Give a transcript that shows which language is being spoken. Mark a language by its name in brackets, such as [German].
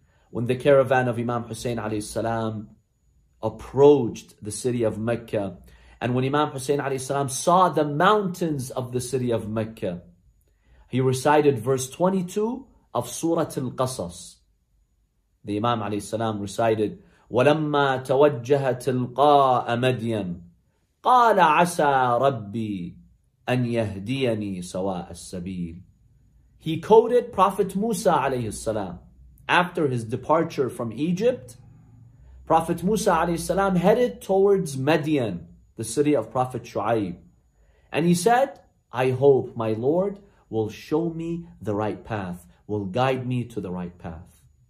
[English] When the caravan of Imam Husayn alayhi salam approached the city of Mecca, and when Imam Husayn alayhi salam saw the mountains of the city of Mecca, he recited verse 22 of Surah Al-Qasas. The Imam alayhi salam recited, [Arabic] وَلَمَّا تَوَجَّهَ تِلْقَاءَ مَدْيَنَ قَالَ عَسَى رَبِّي أَنْ يَهْدِيَنِي سَوَاءَ السَّبِيلِ. [English] He quoted Prophet Musa alayhi salam. After his departure from Egypt, Prophet Musa alayhi salam headed towards Madian, the city of Prophet Shu'aib. And he said, I hope my Lord will show me the right path, will guide me to the right path.